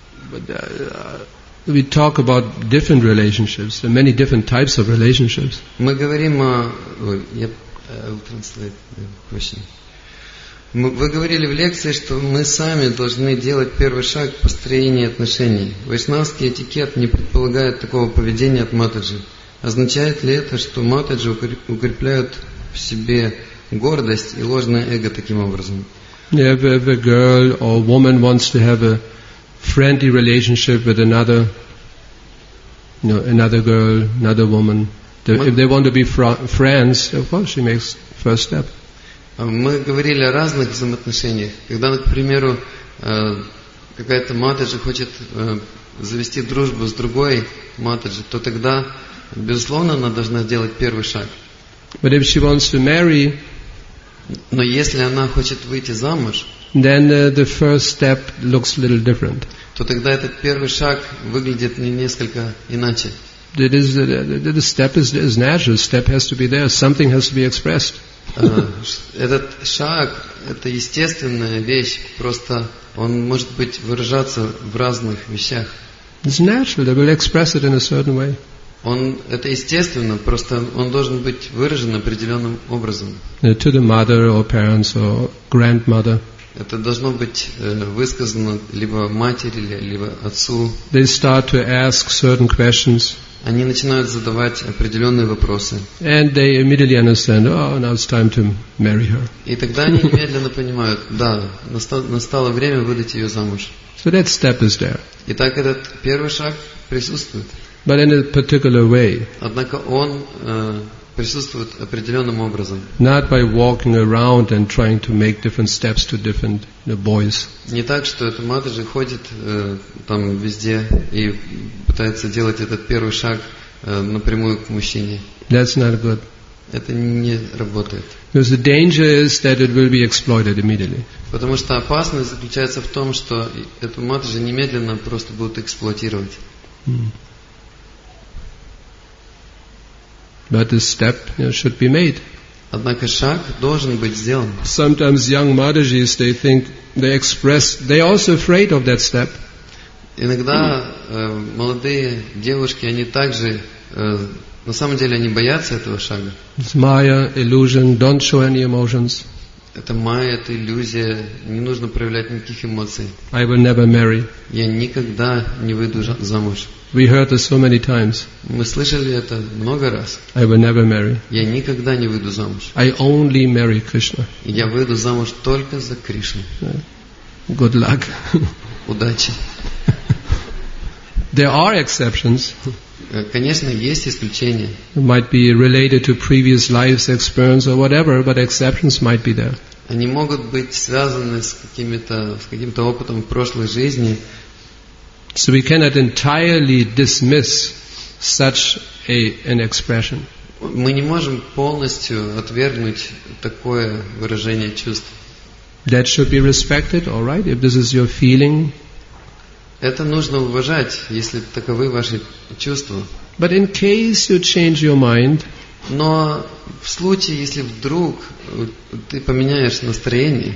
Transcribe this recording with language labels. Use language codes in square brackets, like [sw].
[en] But we talk about different relationships, and many different types of relationships. [ru] Мы говорим о, [en] yep, I'll translate the question. [ru] Вы говорили в лекции, что мы сами должны делать первый шаг к построению отношений. Вайшнавский этикет не предполагает такого поведения от Матаджи. Означает ли это, что Матаджи укрепляют в себе гордость и ложное эго таким образом? [en] If a girl or woman wants to have a friendly relationship with another, you know, another girl, another woman, if they want to be friends, of course she makes first step. [ru] Мы говорили о разных взаимоотношениях. Когда, к примеру, какая-то матаджи хочет завести дружбу с другой матаджи, то тогда, безусловно, она должна сделать первый шаг. [en] But if she wants to marry, [ru] но если она хочет выйти замуж, [en] then the first step looks a little different. [ru] То тогда этот первый шаг выглядит несколько иначе. [en] The step is natural. Step has to be there. Something has to be expressed. [ru] Этот шаг – это естественная вещь, просто он может быть выражаться в разных вещах. [en] It's natural, they will express it in a certain way. [ru] Это естественно, просто он должен быть выражен определенным образом. [en] To the mother or parents or grandmother. [ru] Это должно быть высказано либо матери, либо отцу. [en] They start to ask certain questions. [ru] Они начинают задавать определенные вопросы. [en] And they immediately understand, oh, now it's time to marry her. [ru] И тогда они немедленно понимают, да, настало время выдать ее замуж. [en] So that step is there. [ru] Итак, этот первый шаг присутствует. [en] But in a particular way. [ru] Однако он присутствует определенным образом. [en] Not by walking around and trying to make different steps to different, you know, boys. [ru] Не так, что эта матаджи ходит там везде и пытается делать этот первый шаг напрямую к мужчине. [en] That's not good. [ru] Это не работает. [en] Because the danger is that it will be exploited immediately. [ru] Потому что опасность заключается в том, что эту матаджи немедленно просто будут эксплуатировать. [en] But the step, you know, should be made. [ru] Однако шаг должен быть сделан. [en] Sometimes young Madhajis, they think, they express, they're also afraid of that step. [ru] Иногда молодые девушки, они также, на самом деле, они боятся этого шага. [en] It's maya, illusion, don't show any emotions. [ru] Это майя, это иллюзия, не нужно проявлять никаких эмоций. [en] I will never marry. [ru] Я никогда не выйду замуж. [en] We heard this so many times. [ru] Мы слышали это много раз. [en] I will never marry. [ru] Я никогда не выйду замуж. [en] I only marry Krishna. [ru] Я выйду замуж только за Кришну. [en] Good luck. [ru] Удачи. [en] There are exceptions. [ru] Конечно, есть исключения. [en] It might be related to previous lives, experience or whatever, but exceptions might be there. [ru] Они могут быть связаны с каким-то опытом в прошлой жизни. [en] So we cannot entirely dismiss such an expression. [ru] Мы не можем полностью отвергнуть такое выражение чувств. [en] That should be respected, all right, if this is your feeling. [ru] Это нужно уважать, если таковы ваши чувства. [en] But in case you change your mind, [ru] но в случае, если вдруг ты поменяешь настроение,